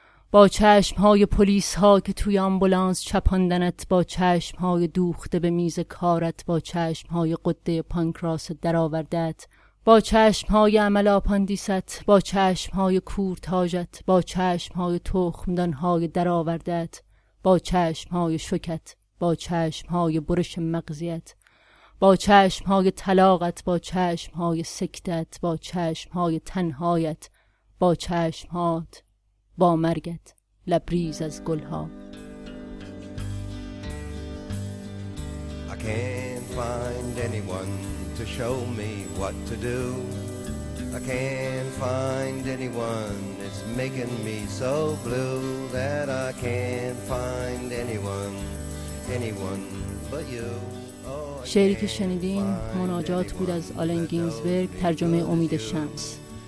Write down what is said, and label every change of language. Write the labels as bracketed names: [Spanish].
[Persian] با چشمهای پلیس ها که توی آمبولانس چپاندنت، با چشمهای دوخته به میز کارت، با چشمهای قده پانکراس درآوردت، با چشمهای عمل آپاندیست، با چشمهای کورتاجت، با چشمهای تخمدانهای درآوردت، با چشمهای شکت، با چشمهای برش مغزیت، با چشمهای طلاقت، با چشمهای سکتت، با چشمهای تنهایت، با چشمهات، با مرگت، لبریز از گلها. [English] I can't find anyone to show me what to do. I can't find anyone, it's making me so blue that I can't find anyone, anyone but you. [Persian] شعری که شنیدین مناجات بود از آلن گینزبرگ، ترجمه امید شمس.